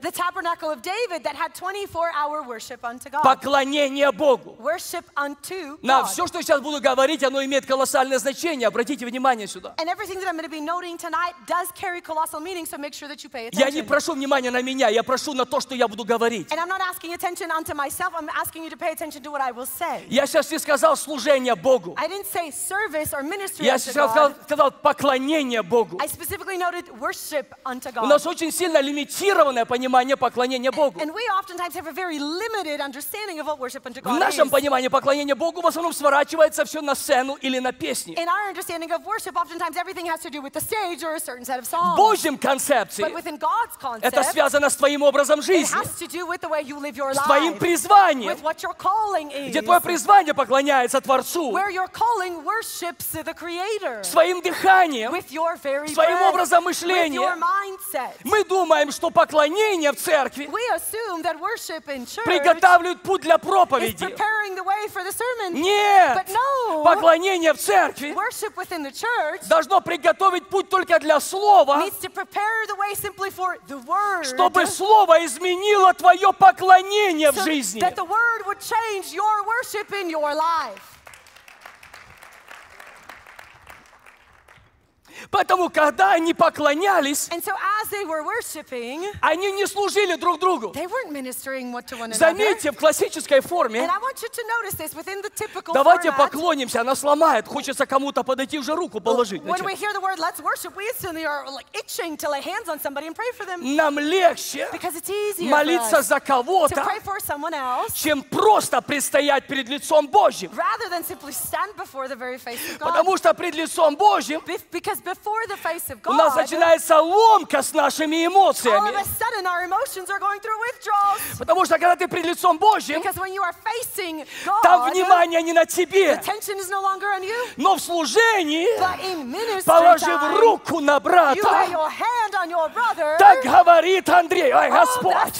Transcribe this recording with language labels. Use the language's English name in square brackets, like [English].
[English] The tabernacle of David that had 24-hour worship unto God. [Russian] Поклонение Богу. [English] Worship unto God. [Russian] На все, что сейчас буду говорить, оно имеет колоссальное значение. Обратите внимание сюда. [English] And everything that I'm going to be noting tonight does carry colossal meaning, so make sure that you pay attention. [Russian] Я не прошу внимания на меня, я прошу на то, что я буду говорить. [English] And I'm not asking attention unto myself, I'm asking you to pay attention to what I will say. [Russian] Я сейчас не сказал служение Богу. [English] I didn't say service or ministry unto God. [Russian] Я сейчас сказал поклонение Богу. Богу. [English] I specifically noted worship unto God. [Russian] У нас очень сильно лимитированное понимание поклонения Богу. [English] And we oftentimes have a very limited understanding of what worship unto God is. [Russian] В нашем понимании поклонения Богу в основном сворачивается все на сцену или на песни. [English] In our understanding of worship, oftentimes everything has to do with the stage or a certain set of songs. [Russian] В Божьем концепции. [English] But within God's concept. [Russian] Это связано с твоим образом жизни. [English] It has to do with the way you live your life. [Russian] С твоим призванием. [English] With what your calling is. [Russian] Где твое призвание поклоняется Творцу. [English] Where your calling worships the Creator. [Russian] Своим дыханием. [English] With your very breath. [Russian] Своим образом мышления. [English] With your mindset. [Russian] Мы думаем, что поклонение в церкви. [English] We assume that worship in church. [Russian] Приготавливает путь для проповеди. [English] Is preparing the way for the sermon. [Russian] Нет. [English] But no. [Russian] Поклонение в церкви. [English] Worship within the church. [Russian] Должно приготовить путь только для слова. [English] Needs to prepare the way simply for the word. [Russian] Чтобы слово изменило твое поклонение в жизни. [English] That the word would change your worship in your life. [Russian] Поэтому, когда они поклонялись, [English] and so as they were worshiping, [Russian] они не служили друг другу. [English] They weren't ministering what to one another. [Russian] Заметьте, в классической форме, [English] and I want you to notice this, within the typical [Russian] давайте [English] format, [Russian] поклонимся, она сломает, хочется кому-то подойти уже руку положить. [English] When we hear the word, let's worship, we instantly are like itching to lay hands on somebody and pray for them. [Russian] Нам легче [English] because it's easier [Russian] молиться за кого-то, [English] to pray for someone else, [Russian] чем просто предстоять перед лицом Божьим. [English] Rather than simply stand before the very face of God. [Russian] Потому что пред лицом Божьим [English] before the face of God, [Russian] у нас начинается ломка с нашими эмоциями. [English] All of a sudden, our emotions are going through withdrawals. [Russian] Потому что когда ты пред лицом Божьим, [English] because when you are facing God, [Russian] там внимание не на тебе. [English] The attention is no longer on you. [Russian] Но в служении, [English] but in ministry time, [Russian] положив руку на брата, [English] you lay your hand on your brother, [Russian] так говорит Андрей, ой, Господь.